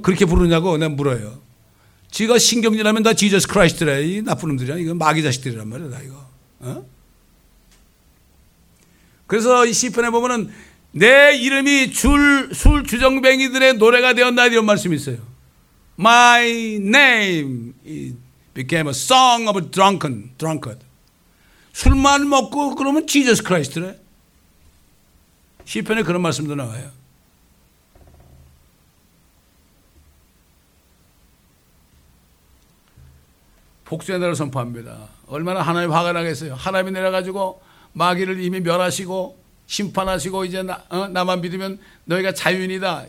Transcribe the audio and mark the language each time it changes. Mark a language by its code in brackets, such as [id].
[ko] 그렇게 부르냐고 내가 물어요. 지가 신경질 나면 다 Jesus Christ래. 이 나쁜 놈들이야. 이건 마귀 자식들이란 말이야. 나 이거. 어? 그래서 이 시편에 보면은 내 이름이 술 주정뱅이들의 노래가 되었나이다 이런 말씀이 있어요. [en] My name became a song of a drunkard. [ko] 술만 먹고 그러면 Jesus Christ래. 시편에 그런 말씀도 나와요. 복수의 날을 선포합니다. 얼마나 하나님 화가 나겠어요. 하나님이 내려가지고 마귀를 이미 멸하시고 심판하시고 이제 나만 믿으면 너희가 자유인이다.